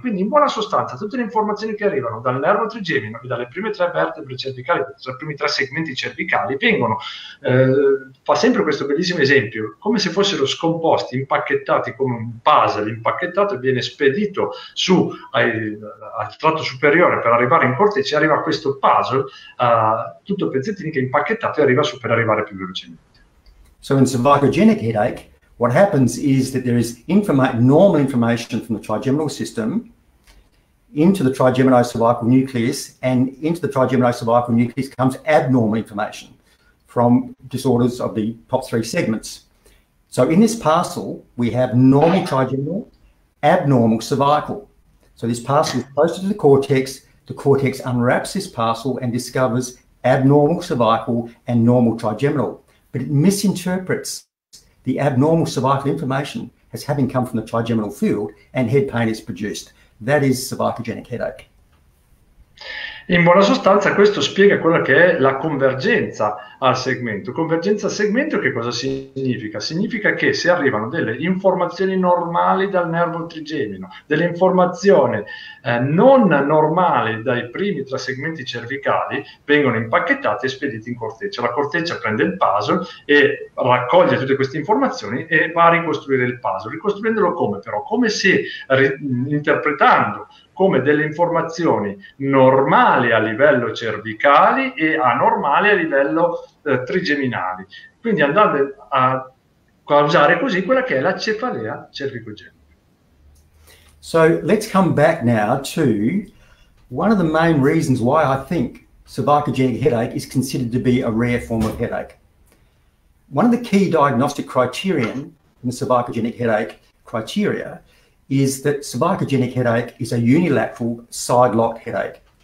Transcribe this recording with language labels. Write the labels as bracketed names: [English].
[Italian] Quindi in buona sostanza tutte le informazioni che arrivano dal nervo trigemino e dalle prime tre vertebre cervicali, dai primi tre segmenti cervicali, vengono, fa sempre questo bellissimo esempio, come se fossero scomposti, impacchettati come un puzzle, impacchettato, e viene spedito su al tratto superiore per arrivare in corteccia, arriva questo puzzle tutto pezzettini che è impacchettato e arriva su per arrivare più velocemente. [English] So in cervicogenic headache, what happens is that there is normal information from the trigeminal system into the trigeminocervical nucleus, and into the trigeminocervical nucleus comes abnormal information from disorders of the top three segments. So in this parcel, we have normal trigeminal, abnormal cervical. So this parcel is posted to the cortex unwraps this parcel and discovers abnormal cervical and normal trigeminal. But it misinterprets the abnormal cervical information as having come from the trigeminal field, and head pain is produced. That is cervicogenic headache. [Italian] In buona sostanza, questo spiega quella che è la convergenza al segmento. Convergenza al segmento che cosa significa? Significa che se arrivano delle informazioni normali dal nervo trigemino, delle informazioni non normali dai primi tre segmenti cervicali, vengono impacchettate e spedite in corteccia. La corteccia prende il puzzle e raccoglie tutte queste informazioni e va a ricostruire il puzzle. Ricostruendolo come però? Come se interpretando come delle informazioni normali a livello cervicali e anormali a livello trigeminali. Quindi andando a causare così quella che è la cefalea cervicogenica. [English] So let's come back now to one of the main reasons why I think cervicogenic headache is considered to be a rare form of headache. One of the key diagnostic criterion in the cervicogenic headache criteria is that cervicogenic headache is a unilateral side-locked headache.